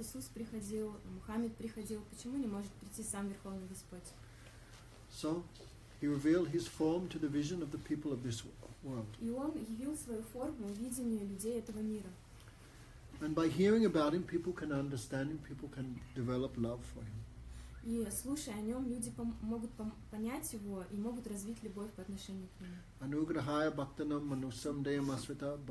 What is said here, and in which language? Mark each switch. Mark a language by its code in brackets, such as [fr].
[ru] Иисус приходил, Мухаммед приходил. Почему не может прийти сам Верховный Господь? [en] So, He revealed His form to the vision of the people of this world. [ru] И Он явил свою форму видению людей этого мира. [en] And by hearing about Him, people can understand Him. People can develop love for Him. [ru] И слушая о нем, люди могут понять его и могут развить любовь по отношению к нему.